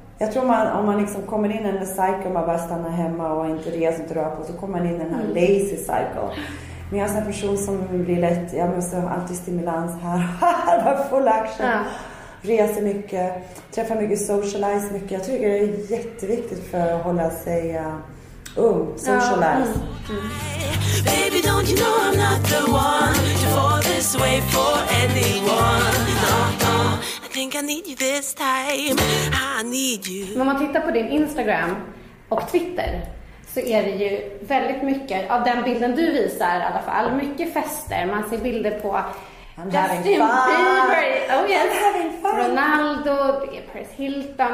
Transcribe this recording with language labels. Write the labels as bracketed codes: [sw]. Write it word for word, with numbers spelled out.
[sv] Jag tror man, om man liksom kommer in i en cycle, man bara stannar hemma och inte reser och drar på, så kommer man in i den här mm. lazy cycle. Men jag är en sån person som blir lätt, jag måste ha alltid stimulans här och här, full action. Ja. Reser mycket, träffar mycket, socialize mycket. Jag tycker det är jätteviktigt för att hålla sig uh, ung, socialize. Ja. Mm. [en] Baby, don't you know I'm not the one to fall this way for anyone. No, no. I need you this time. I need you. [sv] När man tittar på din Instagram och Twitter så är det ju väldigt mycket av den bilden du visar i alla fall. Mycket fester. Man ser bilder på [en] I'm Justin Bieber, oh yes. Ronaldo, Paris Hilton.